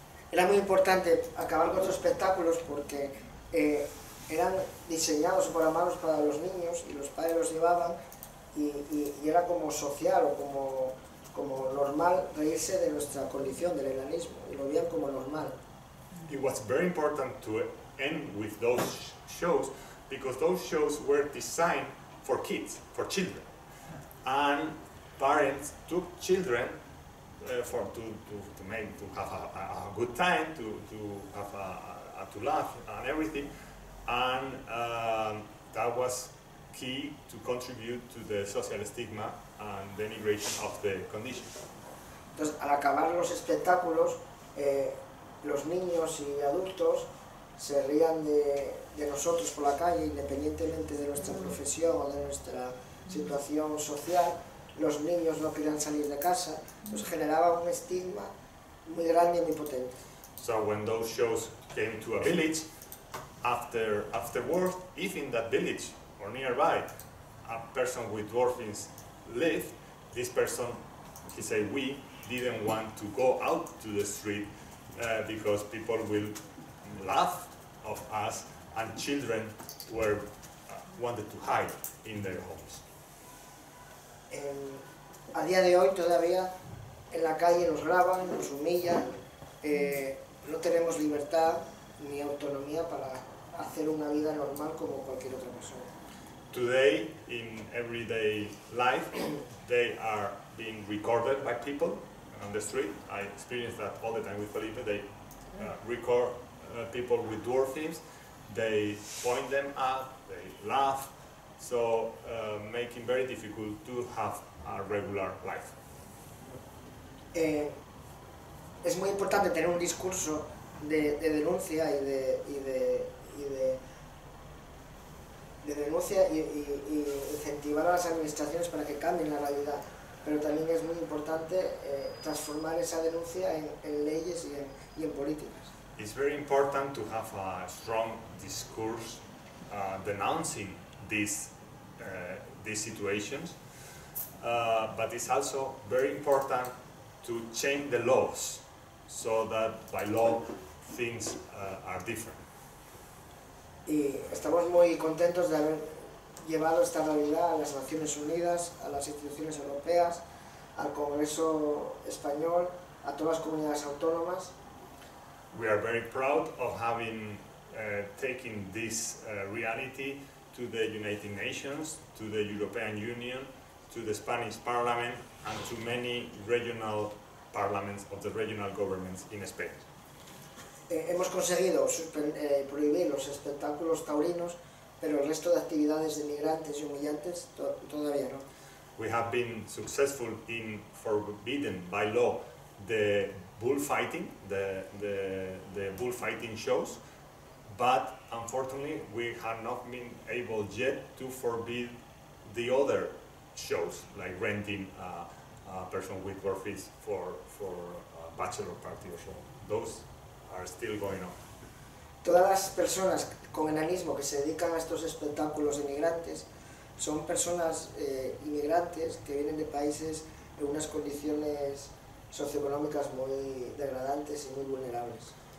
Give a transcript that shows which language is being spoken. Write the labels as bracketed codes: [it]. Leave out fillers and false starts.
[es] Era muy importante acabar con esos espectáculos porque eran diseñados o programados para los niños y los padres los llevaban y era como social o como normal reírse de nuestra condición del enanismo y lo veían como normal. [en] It was very important to end with those shows because those shows were designed for kids, for children, and parents took children to have a good time, to laugh and everything, and that was key to contribute to the social stigma and denigration of the condition. [es] Entonces, al acabar los espectáculos, los niños y adultos se rían de nosotros por la calle, independientemente de nuestra profesión o de nuestra situación social. Los niños no querían salir de casa. Nos generaba un estigma muy grande y muy potente. [en] So when those shows came to a village, afterwards, if in that village or nearby, a person with dwarfism lived, this person, he said, we didn't want to go out to the street because people will laugh of us, and children were wanted to hide in their homes. [es] A día de hoy todavía en la calle nos graban, nos humillan, no tenemos libertad ni autonomía para hacer una vida normal como cualquier otra persona. [en] Today, in everyday life, they are being recorded by people on the street. I experience that all the time with Felipe. They record people with dwarfism. They point them out, they laugh. So, making very difficult to have a regular life. [es] Es muy importante tener un discurso de denuncia y de denuncia y incentivar a las administraciones para que cambien la realidad. Pero también es muy importante transformar esa denuncia en leyes y en políticas. [en] It's very important to have a strong discourse denouncing these situations. But it's also very important to change the laws so that by law things are different. [es] Y estamos muy contentos de haber llevado esta realidad a las Naciones Unidas, a las instituciones europeas, al Congreso español, a todas las comunidades autónomas. [en] We are very proud of having taken this reality to the United Nations, to the European Union, to the Spanish Parliament, and to many regional parliaments of the regional governments in Spain. [es] Hemos conseguido prohibir los espectáculos taurinos, pero el resto de actividades de migrantes y humillantes todavía no. [en] We have been successful in forbidden by law the bullfighting, the bullfighting shows, but unfortunately we have not been able yet to forbid the other shows, like renting a person with dwarfism for a bachelor party or so. Those are still going on. [es] Todas las personas con enanismo que se dedican a estos espectáculos de inmigrantes son personas inmigrantes que vienen de países en unas condiciones socioeconómicas muy degradantes y muy vulnerables.